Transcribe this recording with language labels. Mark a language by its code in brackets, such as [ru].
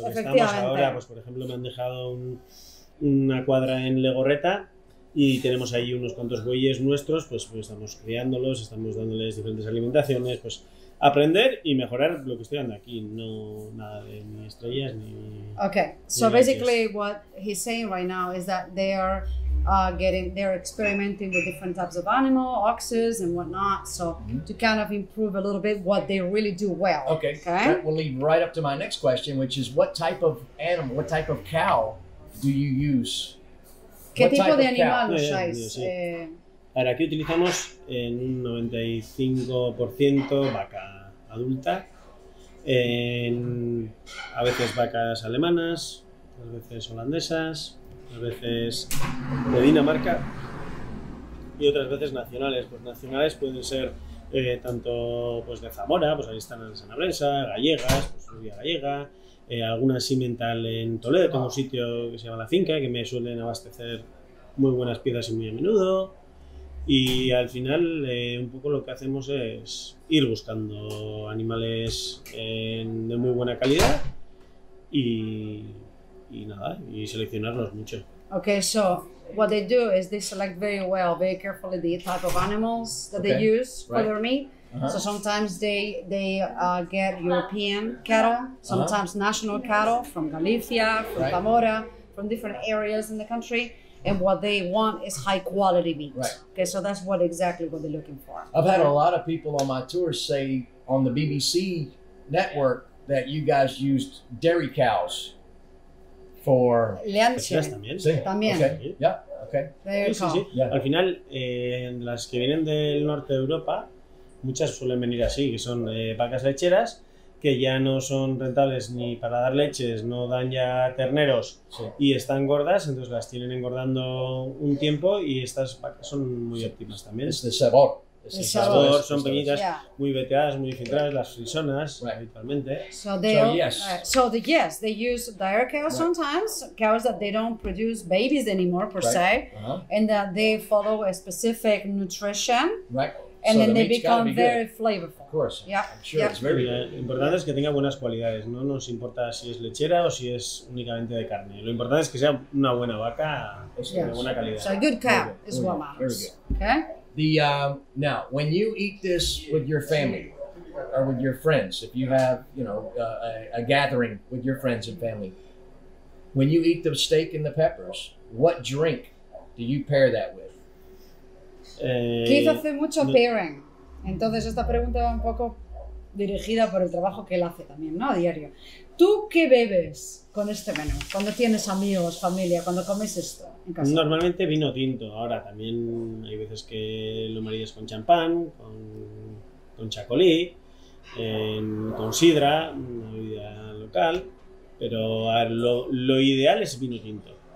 [es] Pues en lo que estamos ahora, pues por ejemplo, me han dejado una cuadra en Legorreta y tenemos ahí unos cuantos bueyes nuestros, pues estamos criándolos, estamos dándoles diferentes alimentaciones, pues aprender y mejorar lo que estoy dando aquí, no nada de ni estrellas ni. [en] Okay. So ni basically, [es] gracias. [en] What he's saying right now is that they are they're experimenting with different types of animal, oxes and whatnot, so to kind of improve a little bit what they really do well. Okay. Okay. That will lead right up to my next question, which is what type of cow do you use? [es] ¿Qué tipo de animal usáis? Ahora, aquí utilizamos en un 95% vaca adulta, a veces vacas alemanas, a veces holandesas, a veces de Dinamarca y otras veces nacionales. Pues nacionales pueden ser tanto pues de Zamora, pues ahí están en Sanabresa, gallegas, pues rubia gallega, alguna simmental en Toledo, tengo un sitio que se llama La Finca, que me suelen abastecer muy buenas piezas y muy a menudo. Y al final, un poco lo que hacemos es ir buscando animales de muy buena calidad y nada, y seleccionarlos mucho. [en] Okay, so what they do is they select very well, very carefully the type of animals that they use for their meat. So sometimes they get European cattle, sometimes national cattle from Galicia, from Zamora, from different areas in the country. And what they want is high quality meat. Right. Okay, so that's what exactly what they're looking for. I've had a lot of people on my tour say on the BBC network that you guys used dairy cows for [es] leche. [en] Yes, [es] también. Sí. También. [en] Okay. Yeah. Okay. There you [es] sí, [en] go. [es] Sí. [en] Yeah. [es] Al final, en las que vienen del norte de Europa, muchas suelen venir así, que son vacas lecheras. Que ya no son rentables ni para dar leches, no dan ya terneros y están gordas, entonces las tienen engordando un tiempo y estas vacas son muy óptimas también. Es de sabor. Es de sabor. Son pequeñitas, muy veteadas, muy filtradas, las frisonas habitualmente. [en] So they, yes, they use dairy cows sometimes, cows that they don't produce babies anymore per se, and that they follow a specific nutrition. Right. And then they become very flavorful. Of course. Yeah. [es] Importante es que tenga buenas cualidades. No nos importa si es lechera o si es únicamente de carne. Lo importante es que sea una buena vaca, de buena calidad. [en] So a good cow is what matters. Very good. Okay. Now, when you eat this with your family or with your friends, if you have, you know, a gathering with your friends and family, when you eat the steak and the peppers, what drink do you pair that with? [es] Keith hace mucho pairing, entonces esta pregunta va un poco dirigida por el trabajo que él hace también, ¿no? A diario. ¿Tú qué bebes con este menú? ¿Cuando tienes amigos, familia, cuando comes esto en casa? Normalmente vino tinto, ahora también hay veces que lo marías con champán, con chacolí, con sidra, una bebida local, pero a ver, lo ideal es vino tinto.